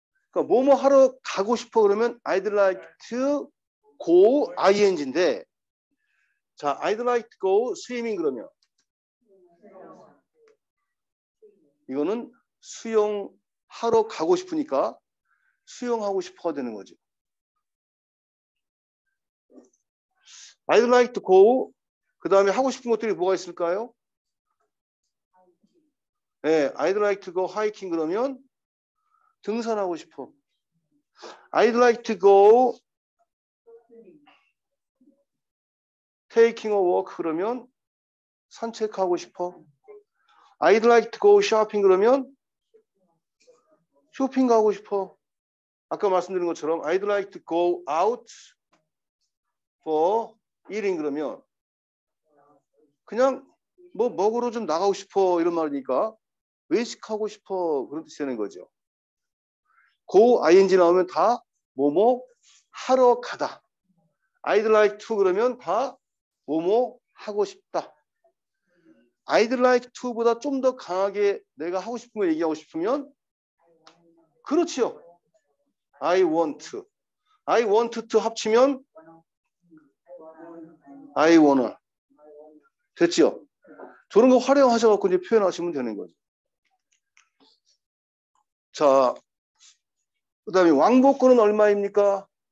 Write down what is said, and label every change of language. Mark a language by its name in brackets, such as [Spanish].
[Korean] 그러니까 뭐뭐 하러 가고 싶어 그러면 [English] I'd like to go ing [Korean] 인데 자, [English] I'd like to go swimming [Korean] 그러면 이거는 수영하러 가고 싶으니까 수영하고 싶어가 되는 거지. [English] I'd like to go. [Korean] 그 다음에 하고 싶은 것들이 뭐가 있을까요? 네, [English] I'd like to go hiking [Korean] 그러면 등산하고 싶어. [English] I'd like to go taking a walk [Korean] 그러면 산책하고 싶어. [English] I'd like to go shopping [Korean] 그러면 쇼핑 가고 싶어. 아까 말씀드린 것처럼 [English] I'd like to go out for eating [Korean] 그러면 그냥 뭐 먹으러 좀 나가고 싶어 이런 말이니까 외식하고 싶어 그런 뜻이 되는 거죠. go ing 나오면 다 뭐뭐 하러 가다. [English] I'd like to [Korean] 그러면 다 뭐뭐 하고 싶다. [English] I'd like to [Korean] 보다 좀 더 강하게 내가 하고 싶은 걸 얘기하고 싶으면 그렇지요. [English] I want to. I want to [Korean] 합치면 [English] I wanna. [Korean] 됐지요. 저런 거 활용하셔서 이제 표현하시면 되는 거죠. 자, 그 다음에 왕복권은 얼마입니까?